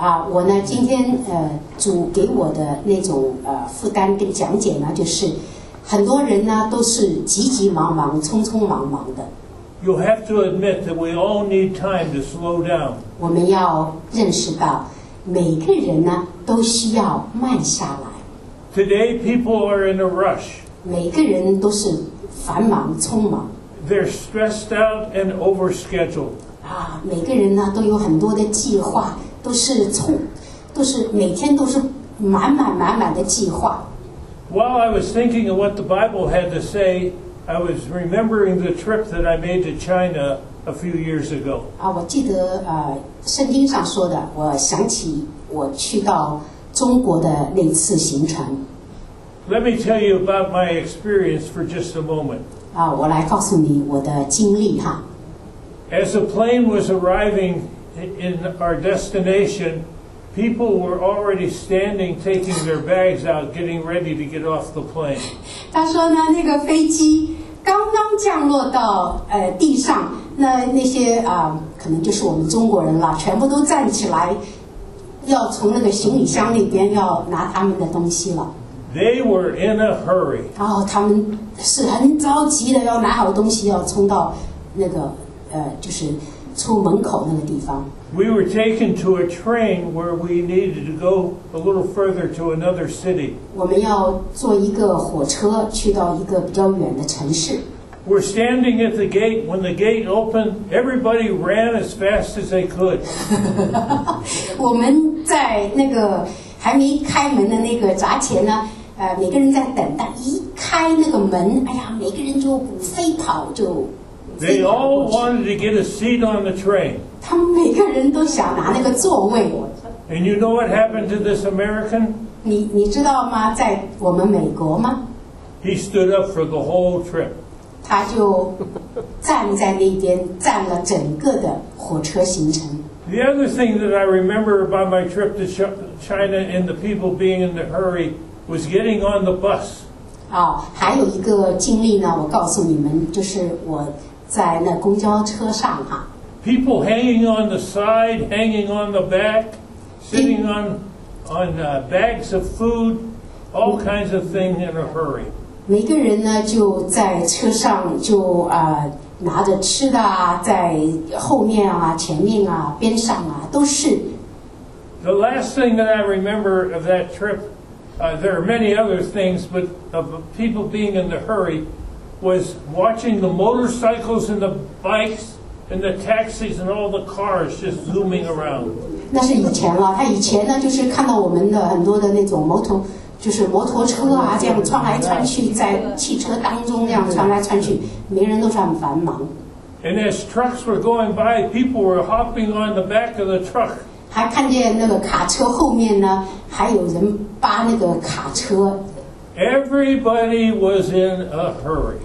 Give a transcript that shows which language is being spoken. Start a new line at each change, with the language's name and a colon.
Chinese: 我呢，今天主给我的那种负担跟讲解呢，就是。很多人呢都是急急忙忙、匆匆忙忙的。
English: You have to admit that we all need time to slow down.
Chinese: 我们要认识到，每个人呢都需要慢下来。
English: Today people are in a rush.
Chinese: 每个人都是繁忙、匆忙。
English: They're stressed out and overscheduled.
Chinese: 每个人呢都有很多的计划，都是每天都是满满满满的计划。
English: While I was thinking of what the Bible had to say, I was remembering the trip that I made to China a few years ago.
Chinese: 我记得圣经上说的，我想起我去到中国的那次行程。
English: Let me tell you about my experience for just a moment.
Chinese: 我来告诉你我的经历哈。
English: As the plane was arriving in our destination,People were already standing, taking their bags out, getting ready to get off the plane.
Chinese: 他说呢，那个飞机刚刚降落到地上，那些可能就是我们中国人了，全部都站起来，要从那个行李箱里边要拿他们的东西了。
English: They were in a hurry.
Chinese: 他们是很着急的，要拿好东西，要冲到那个就是出门口那个地方。
English: We were taken to a train where we needed to go a little further to another city.
Chinese: 我们要坐一个火车去到一个比较远的城市。
English: We're standing at the gate. When the gate opened, everybody ran as fast as they could.
Chinese: 我们在那个还没开门的那个闸前呢，每个人在等待。一开那个门，哎呀，每个人就飞跑就。
English: They all wanted to get a seat on the train.
Chinese: 他们每个人都想拿那个座位。
English: And you know what happened to this American?
Chinese: 你知道吗？在我们美国吗？
English: He stood up for the whole trip.
Chinese: 他就站在那边，站了整个的火车行程。
English: The other thing that I remember about my trip to China and the people being in the hurry was getting on the bus.
Chinese: 还有一个经历呢，我告诉你们，就是我。在那公交车上哈
English: people hanging on the side, hanging on the back, sitting on bags of food, all kinds of things in a hurry.
Chinese: 每个人呢就在车上就拿着吃的啊，在后面啊、前面啊、边上啊，都是。
English: The last thing that I remember of that trip, there are many other things, but of people being in the hurry, was watching the motorcycles and the bikes and the taxis and all the cars just zooming around.
Chinese: 那是以前了，他以前呢就是看到我们的很多的那种摩托，就是摩托车啊，这样穿来穿去，在汽车当中这样穿来穿去，每人都是很繁忙。
English: And as trucks were going by, people were hopping on the back of the truck.
Chinese: 还看见那个卡车后面呢，还有人扒那个卡车。
English: Everybody was in a hurry.